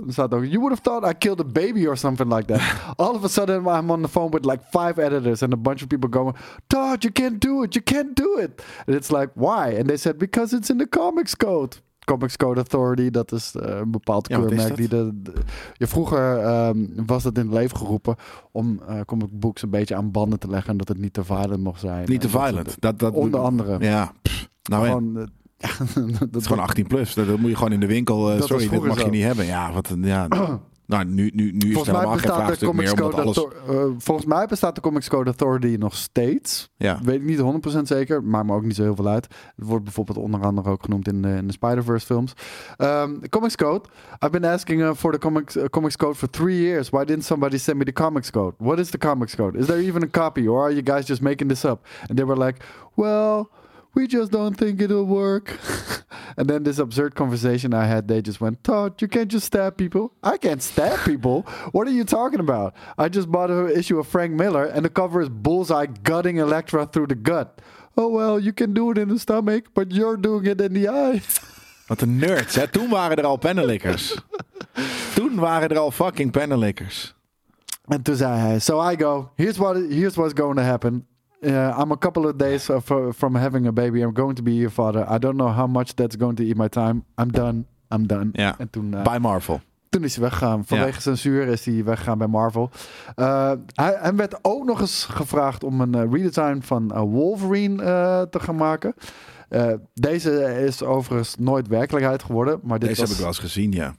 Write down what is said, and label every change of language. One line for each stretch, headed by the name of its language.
Dutch: Er staat ook,
English: you would have thought I killed a baby or something like that. All of a sudden I'm on the phone with like 5 editors and a bunch of people going, Todd, you can't do it, you can't do it. And it's like, why? And they said, because it's in the comics code.
Dutch: Comics Code Authority, dat is een bepaald keurmerk. Vroeger was dat in het leven geroepen om comic books een beetje aan banden te leggen en dat het niet te violent mocht zijn. Niet te violent. Onder andere. Ja. Nou ja. Het is gewoon 18 plus. Dat moet je gewoon in de winkel. Sorry, dit mag je niet hebben. Ja, wat een. Ja. Nou, nu is het helemaal geen vraagstuk meer. Volgens mij bestaat de Comics Code Authority nog steeds. Ja. Weet ik niet 100% zeker, maakt me ook niet zo heel veel uit. Het wordt bijvoorbeeld onder andere ook genoemd in de Spider-Verse films. Comics Code.
English: I've been asking for the Comics Code for 3 years. Why didn't somebody send me the Comics Code? What is the Comics Code? Is there even a copy? Or are you guys just making this up? And they were like, well, we just don't think it'll work. And then this absurd conversation I had, they just went, Todd, you can't just stab people. I can't stab people. What are you talking about? I just bought an issue of Frank Miller and the cover is Bullseye gutting Elektra through the gut. Oh well, you can do it in the stomach, but you're doing it in the eye.
Dutch: Wat een nerds, hè? Toen waren er al pennenlikkers. Toen waren er al fucking pennenlikkers. En toen zei hij,
English: so I go, here's what's going to happen. I'm a couple of days from having a baby. I'm going to be your father. I don't know how much that's going to eat my time. I'm done.
Dutch: Ja, en toen, bij Marvel. Toen is hij weggegaan. Vanwege censuur is hij weggegaan bij Marvel. Hij werd ook nog eens gevraagd om een redesign van Wolverine te gaan maken. Deze is overigens nooit werkelijkheid geworden. Maar dit deze was, heb ik wel eens gezien, ja.